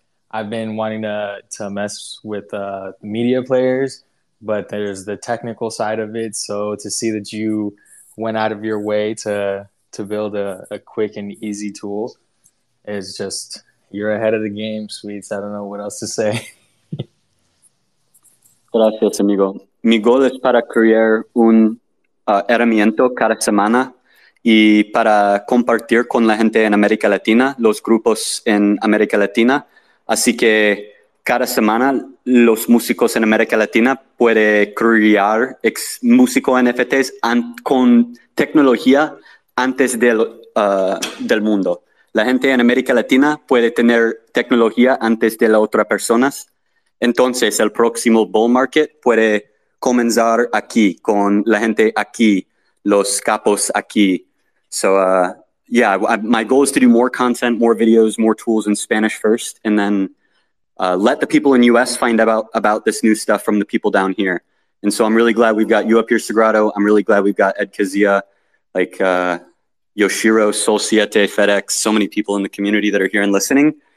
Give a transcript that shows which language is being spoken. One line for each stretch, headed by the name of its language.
English: I've been wanting to mess with media players, but there's the technical side of it. So to see that you went out of your way to build a quick and easy tool is just, you're ahead of the game, Sweets. I don't know what else to say.
Spanish: Gracias, amigo. Mi goal es para crear un herramienta cada semana y para compartir con la gente en América Latina, los grupos en América Latina. Así que cada semana los músicos en América Latina puede crear ex músico NFTs con tecnología antes del mundo. La gente en América Latina puede tener tecnología antes de las otras personas. Entonces el próximo bull market puede comenzar aquí con la gente aquí, los capos aquí.
English: So yeah, my goal is to do more content, more videos, more tools in Spanish first, and then let the people in US find about this new stuff from the people down here. And so I'm really glad we've got you up here, Sagrado. I'm really glad we've got Ed Kazia, like Yoshiro, Sol Siete, FedEx, so many people in the community that are here and listening.